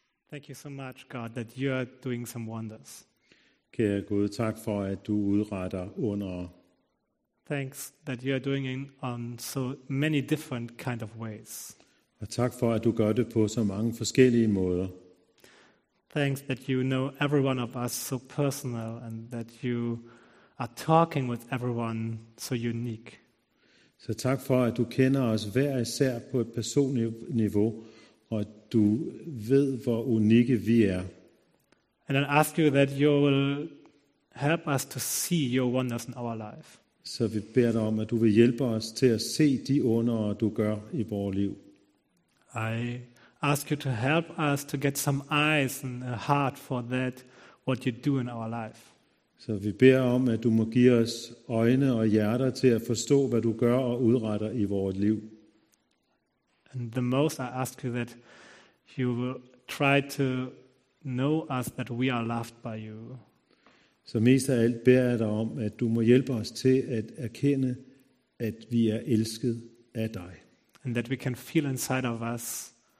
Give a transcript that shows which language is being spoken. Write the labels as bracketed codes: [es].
[en] Thank you so much, God, that you are doing some wonders. [da] Kære Gud, tak for at du udretter under. [en] Thanks that you are doing it on so many different kind of ways. [da] Og tak for at du gør det på så mange forskellige måder. [en] Thanks that you know every one of us so personal and that you are talking with everyone so unique. [da] Så tak for at du kender os hver især på et personligt niveau, og at du ved hvor unikke vi er. [en] And I ask you that you will help us to see your wonders in our life. [da] Så vi beder dig om, at du vil hjælpe os til at se de under, du gør i vores liv. [en] I ask you to help us to get some eyes and a heart for that, what you do in our life. [da] Så vi beder om, at du må give os øjne og hjerter til at forstå, hvad du gør og udretter i vores liv. [en] And the most I ask you that you will try to know us that we are loved by you. [da] Så mest af alt beder jeg dig om, at du må hjælpe os til at erkende, at vi er elsket af dig. [en] And that we can feel inside of us.